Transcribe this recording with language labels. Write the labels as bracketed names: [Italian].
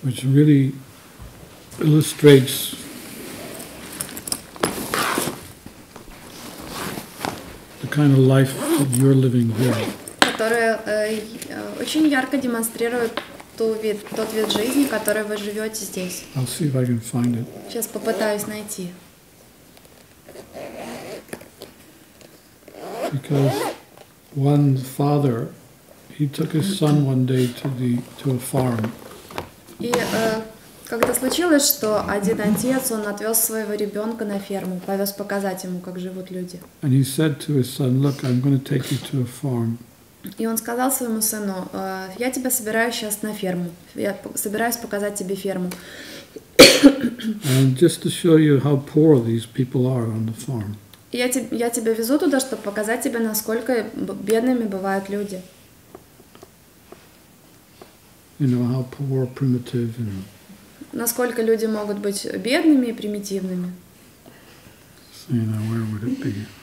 [English] Which really illustrates the kind of life that you're living here. [Russian] Которая очень ярко демонстрирует тот вид жизни, который вы живете здесь. [English] I'll see if I can find it. [Russian] Сейчас попытаюсь найти. [English] Because one father, he took his son one day to a farm. [Russian] И как-то случилось, что один отец, он отвез своего ребенка на ферму, повез показать ему, как живут люди. [English] And he said to his son, look, I'm going to take you to a farm. [Russian] И он сказал своему сыну, я тебя собираю сейчас на ферму, я собираюсь показать тебе ферму. [English] And just to show you how poor these people are on the farm. [Russian] Я тебя везу туда, чтобы показать тебе, насколько бедными бывают люди. [English] You know, how poor, primitive, you know. [Russian] Насколько люди могут быть бедными и примитивными. [English] So, you know, where would it be?